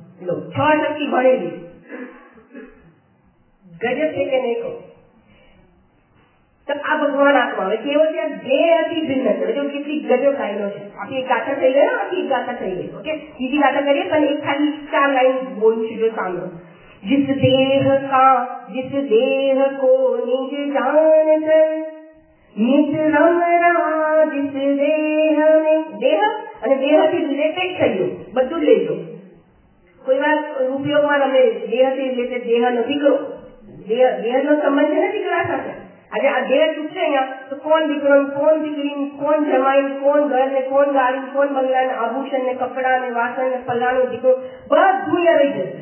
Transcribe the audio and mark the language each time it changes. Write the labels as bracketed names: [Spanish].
[Gujarati] લો, છ ટકી ભણેલી ગજબ છે કે નહીં? તો આ ભગવાન આત્મા હવે કેવો છે? બે અતિ ભિન્ન છે. જો કેટલી ગજબ લાઈનો છે, આખી એક ગાથા થઈ ગયો, આખી એક ગાથા થઈ ગઈ. ઓકે, બીજી ગાથા કરીએ, પણ એક ખાલી ચાર લાઈન બોલું છું જો સાંભળો. [Hindi] जिस देह का, जिस देह को निज जान कर, निज रम रहा जिस देह में. [Gujarati] देह અને દેહ થી રિલેટેડ થઈ ગયું, બધું લેજો. કોઈ વાર ઉપયોગમાં રમે દેહ થી રિલેટેડ, દેહ નથી કરો, દેહ નો સંબંધ છે નથી કરવા સાથે. આજે આ દેહ ચૂકશે અહીંયા, તો કોણ દીકરો, કોણ દીકરી, કોણ જમાઈ, કોણ ઘર ને, કોણ ગાડી, કોણ બંગલા ને, આભૂષણ ને, કપડા ને, વાસણ ને, ફલાણું દીકરો, બધું અહીંયા રહી જશે.